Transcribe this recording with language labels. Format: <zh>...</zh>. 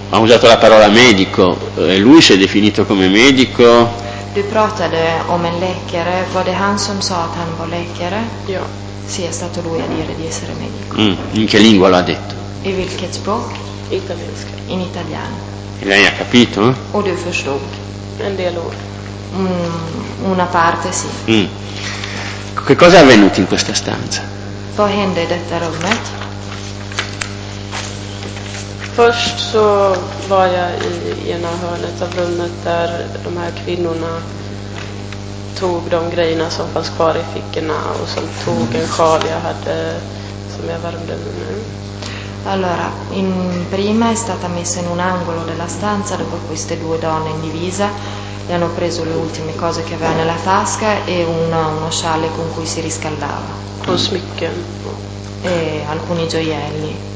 <it>Ha usato la parola medico, e lui si è definito come medico?</it> <sv>Du pratade om en läkare, var det han som sa att han var läkare? Ja.</sv> <it>Sì, è stato lui a dire di essere medico. In che lingua lo ha detto?</it> <sv>I vilket språk? Italiensk.</sv> <it>In italiano. E lei ha capito?</it> <sv>O du förstod? En del ord.</sv> <it>Una parte, sì. Che cosa è avvenuto in questa stanza?</it> <sv>Vad hände i detta rummet? Först så var jag i ena hörnet av rummet där de här kvinnorna tog de grejerna som fanns kvar i fickorna och som tog en sjal jag hade som jag värmde med nu.</sv> <it>Allora, prima è stata messa in un angolo della stanza dopo queste due donne in divisa. Gli hanno preso le ultime cose che aveva nella tasca e uno scialle con cui si riscaldava. Con smicchio. E alcuni gioielli.</it>